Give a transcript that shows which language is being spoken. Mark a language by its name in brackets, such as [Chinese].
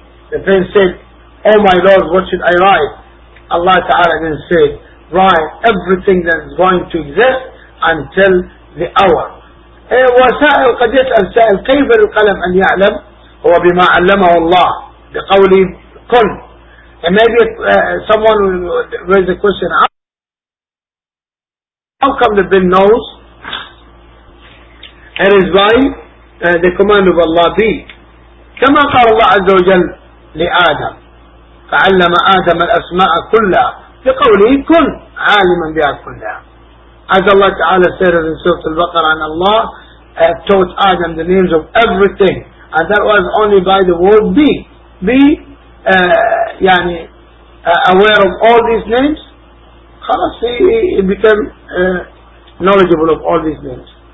[English] The pen said, oh my lord, what should I write? Allah Ta'ala then said, write everything that is going to exist until the hour. [Arabic] وسائل قد يسأل سائل كيف القلم أن يعلم, هو بما علمه الله بقوله كن. [English] And maybe someone will raise the question, how come the pen knows? It is by the command of Allah be. [Arabic] كما قال الله عز وجل لآدم فعلم آدم الأسماء كلها بقوله كن عالما بها كلها. [English] As Allah Ta'ala said in Surah Al-Baqarah, and Allah taught Adam the names of everything, and that was only by the word be. Be [Arabic] يعني [English] aware of all these names, [Arabic] خلاص [English] he became knowledgeable of all these names.